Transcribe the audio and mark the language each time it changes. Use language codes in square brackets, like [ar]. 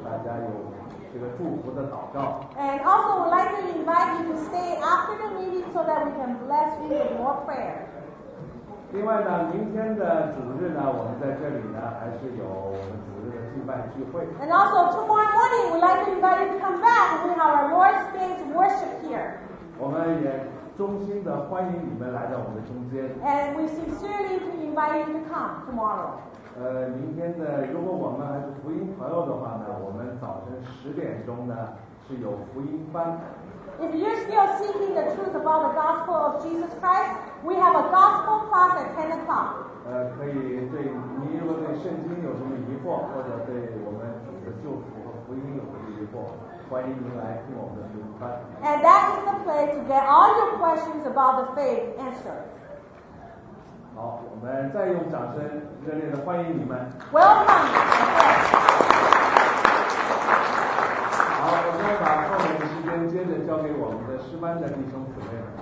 [en] And also, we'd like to invite you to stay after the meeting so that we can bless you with more prayer. [zh] 另外呢，明天的主日呢，我们在这里呢，还是有我们主日的敬拜聚会。 [en] And also, tomorrow morning, we'd like to invite you to come back and we have our Lord's Day worship here. [zh] 我们也衷心的欢迎你们来到我们的中间。 [en] And we sincerely invite you to come tomorrow. [zh] 明天的如果我们还是福音朋友的话呢，我们早晨十点钟呢是有福音班。 [en] If you're still seeking the truth about the gospel of Jesus Christ, we have a gospel class at 10 o'clock. [zh] 可以对你如果对圣经有什么疑惑，或者对我们主的救赎和福音有什么疑惑，欢迎您来听我们的福音班。 [en] And that is the place to get all your questions about the faith answered. [zh] 好，我们再用掌声热烈的欢迎你们。 [en] Welcome. [zh] 好，我们把后面的时间接着交给我们的诗班的弟兄姊妹们。